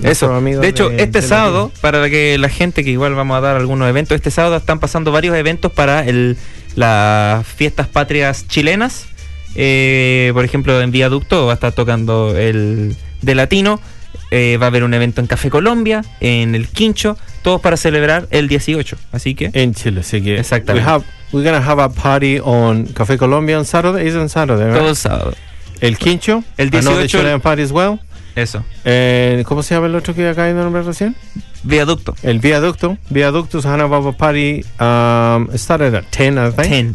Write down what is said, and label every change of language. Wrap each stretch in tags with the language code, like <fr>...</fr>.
<es>Eso, de hecho, este sábado, para que la gente, que igual vamos a dar algunos eventos, este sábado están pasando varios eventos para las fiestas patrias chilenas. Por ejemplo, en Viaducto va a estar tocando el de Latino. Va a haber un evento en Café Colombia, en El Quincho, todos para celebrar el 18, así que... En Chile, así que... Exactamente.</es> <en>We're gonna have a party on Café Colombia on Saturday, it's on Saturday, right?</en> <es>Todo el sábado. El Quincho, el 18,</es> <en>another Chilean party as well.</en> <es>Eso. ¿Cómo se llama el otro que acá hay de nombre recién? Viaducto. El Viaducto.</es> <en>Viaducto's gonna have a party, started at 10, I think.</en>